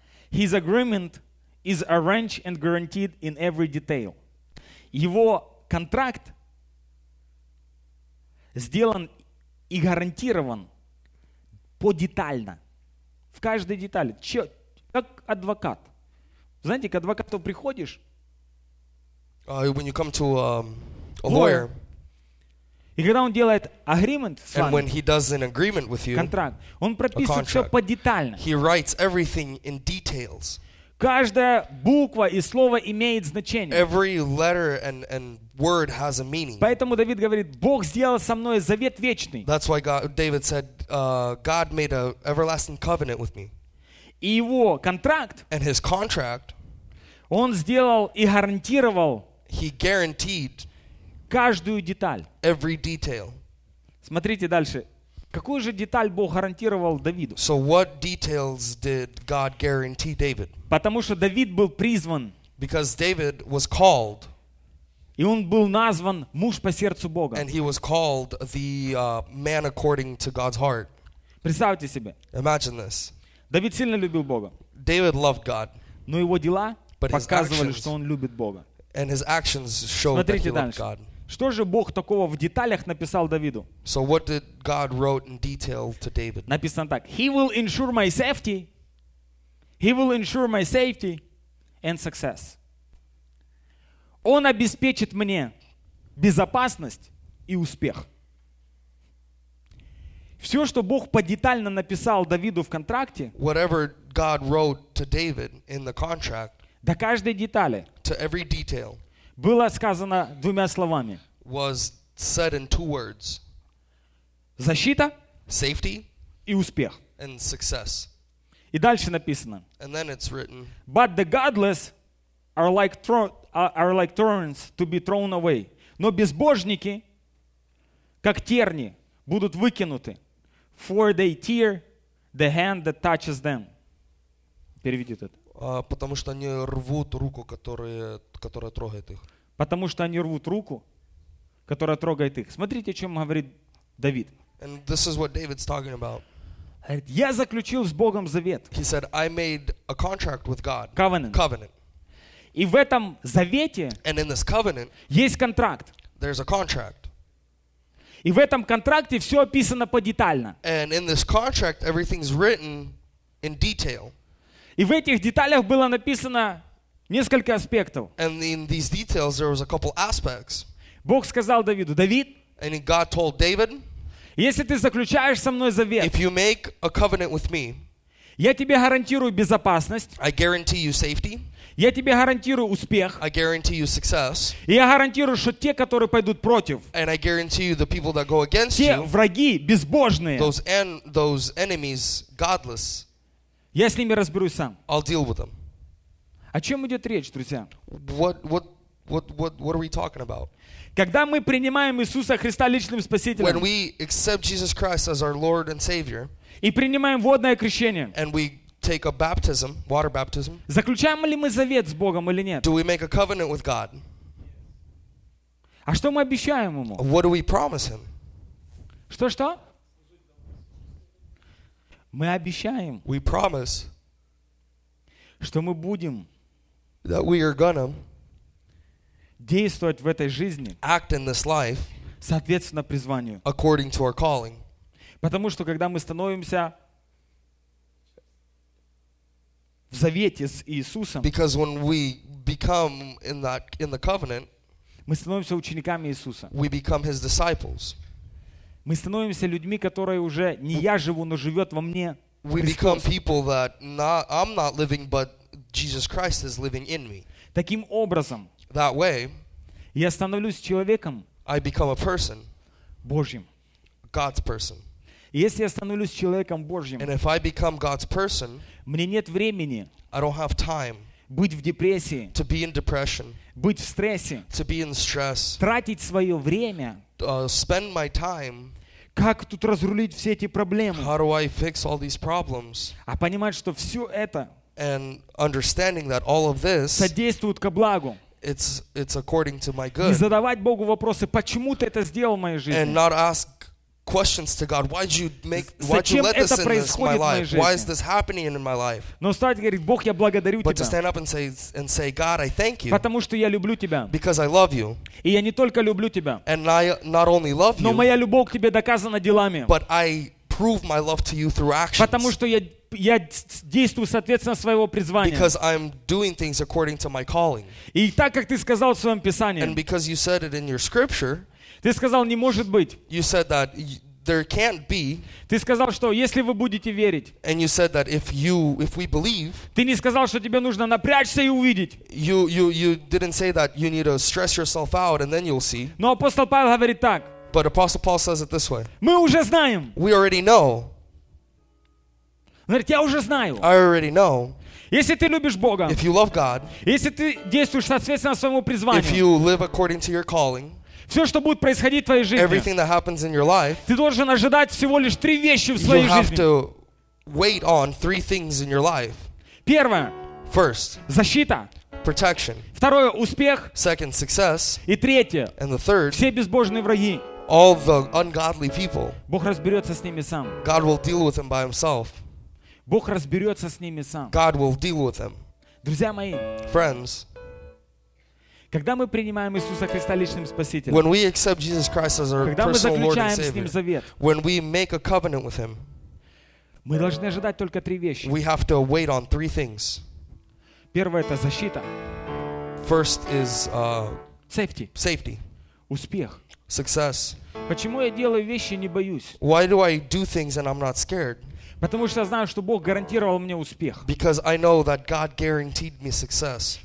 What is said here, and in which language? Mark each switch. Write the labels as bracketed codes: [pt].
[en] His agreement is arranged and guaranteed in every detail. [ru] Его контракт сделан и гарантирован подетально. В каждой детали. Че, как адвокат. Знаете, к адвокату приходишь. [en] When you come to a lawyer. [ru] И когда он делает agreement с вами, [en] and when he does an agreement with you, [ru] контракт, он прописывает все подетально. [en] He writes everything in details. [ru] Каждая буква и слово имеет значение. [en] Every letter and word has a meaning. [ru] Поэтому Давид говорит, Бог сделал со мной завет вечный. [en] That's why David said, God made an everlasting covenant with me. [ru] И его контракт, [en] and his contract, [ru] он сделал и гарантировал, [en] he guaranteed [ru] каждую деталь. [en] Every detail. [ru] Смотрите дальше. Какую же деталь Бог гарантировал Давиду? [en] So what details did God guarantee David? [ru] Потому что Давид был призван. [en] Because David was called. [ru] И он был назван муж по сердцу Бога. [en] And he was called the man according to God's heart. [ru] Представьте себе. [en] Imagine this. [ru] Давид сильно любил Бога. [en] David loved God. [ru] Но его дела показывали, что он любит Бога. [en] And his actions show that he loved God. [ru] Что же Бог такого в деталях написал Давиду? [en] So what did God write in detail to David? [ru] Написано так: [en] He will ensure my safety. He will ensure my safety and success. [ru] Он обеспечит мне безопасность и успех. Все, что Бог подетально написал Давиду в контракте, [en] whatever God wrote to David in the contract, [ru] до каждой детали, [en] to every detail, [ru] было сказано двумя словами. [en] Was said in two words. [ru] Защита. [en] Safety. [ru] И успех. [en] And success. [ru] И дальше написано. [en] And then it's written. But the godless are like thorns to be thrown away. [ru] Но безбожники, как терни, будут выкинуты. [en] For they tear the hand that touches them. [ru] Переведите это. Потому что они рвут руку, которая трогает их. Потому что они рвут руку, которая трогает их. Смотрите, о чем говорит Давид. [en] And this is what David's talking about. [ru] Говорит, я заключил с Богом завет. [en] He said, I made a contract with God. Covenant. Covenant. [ru] И в этом завете [en] and in this covenant, [ru] есть контракт. [en] There's a contract. [ru] И в этом контракте все описано подетально. [en] And in this contract, everything's written in detail. [ru] И в этих деталях было написано несколько аспектов. [en] And in these details, there was a couple aspects. [ru] Бог сказал Давиду, Давид, [en] and God told David, [ru] если ты заключаешь со мной завет, [en] if you make a covenant with me, [ru] я тебе гарантирую безопасность, [en] I guarantee you safety, [ru] я тебе гарантирую успех, [en] I guarantee you success, [ru] и я гарантирую, что те, которые пойдут против, [en] and I guarantee you the people that go against [ru] те [en] you, [ru] враги безбожные, [en] those enemies godless, [ru] я с ними разберусь сам. [en] I'll deal with them. [ru] О чем идет речь, друзья? [en] What are we talking about? [ru] Когда мы принимаем Иисуса Христа личным спасителем, [en] when we accept Jesus Christ as our Lord and Savior, [ru] и принимаем водное крещение, [en] and we take a baptism, water baptism, [ru] заключаем ли мы завет с Богом или нет? [en] Do we make a covenant with God? [ru] А что мы обещаем ему? [en] What do we promise him? [ru] Что? Мы обещаем. [en] We promise. [ru] Что мы будем? [en] That we are gonna. [ru] Действовать в этой жизни. [en] Act in this life. [ru] соответственно призванию. [en] According to our calling. [ru] Потому что когда мы становимся в завете с Иисусом, [en] because when we become in the covenant, [ru] мы становимся учениками Иисуса. [en] We become his disciples. [ru] Мы становимся людьми, которые уже не я живу, но живет во мне Христос. [en] We become people that not, I'm not living, but Jesus Christ is living in me. [ru] Таким образом, [en] that way, [ru] я становлюсь человеком, [en] I become a person, [ru] Божьим, [en] God's person. [ru] Если я становлюсь человеком Божьим, [en] and if I become God's person, [ru] мне нет времени, [en] I don't have time, [ru] быть в депрессии, [en] to be in depression, [ru] быть в стрессе, [en] to be in stress, [ru] тратить свое время, [en] spend my time, [ru] как тут разрулить все эти проблемы, [en] how do I fix all these problems, [ru] а понимать, что все это, [en] and understanding that all of this, [ru] содействует ко благу, [en] it's according to my good, [ru] не задавать Богу вопросы, почему ты это сделал в моей жизни, [en] and not ask questions to God, why did you make, why did you let this in this my life, why is this happening in my life, [ru] но стать говорить, Бог, я благодарю тебя, [en] but to stand up and say, God, I thank you, [ru] потому что я люблю тебя, [en] because I love you, [ru] и я не только люблю тебя, [en] and I not only love you, [ru] но моя любовь к тебе доказана делами, [en] but I prove my love to you through actions, [ru] потому что я действую соответственно своего призвания, [en] because I'm doing things according to my calling, [ru] и так как ты сказал в своем писании, [en] and because you said it in your scripture, [ru] ты сказал, не может быть. [en] You said that there can't be. [ru] Ты сказал, что если вы будете верить. [en] And you said that if we believe. [ru] Ты не сказал, что тебе нужно напрячься и увидеть. [en] You didn't say that you need to stress yourself out and then you'll see. [ru] Но апостол Павел говорит так. [en] But Apostle Paul says it this way. [ru] Мы уже знаем. [en] We already know. [ru] Он говорит, я уже знаю. [en] I already know. [ru] Если ты любишь Бога. [en] If you love God. [ru] Если ты действуешь соответственно своему призванию. [en] If you live according to your calling. [ru] Все, что будет происходить в твоей жизни. [en] Everything that happens in your life. [ru] Ты должен ожидать всего лишь три вещи в своей жизни. [en] You have to wait on three things in your life. [ru] Первое. [en] First. [ru] Защита. [en] Protection. [ru] Второе. Успех. [en] Second. Success. [ru] И третье. [en] And the third. [ru] Все безбожные враги. [en] All the ungodly people. [ru] Бог разберется с ними сам. [en] God will deal with them by himself. [ru] Бог разберется с ними сам. [en] God will deal with them. [ru] Друзья мои. [en] Friends. [ru] Когда мы принимаем Иисуса Христа личным спасителем, [en] when we accept Jesus Christ as our personal Lord and Savior, [ru] с ним завет, [en] when we make a covenant with him, [ru] мы должны ожидать только три вещи. [en] We have to wait on three things. [ru] Первое — это защита. [en] First is safety. Safety. [ru] Успех. [en] Success. [ru] Почему я делаю вещи и не боюсь? [en] Why do I do things and I'm not scared? [ru] Потому что я знаю, что Бог гарантировал мне успех. [en] Because I know that God guaranteed me success.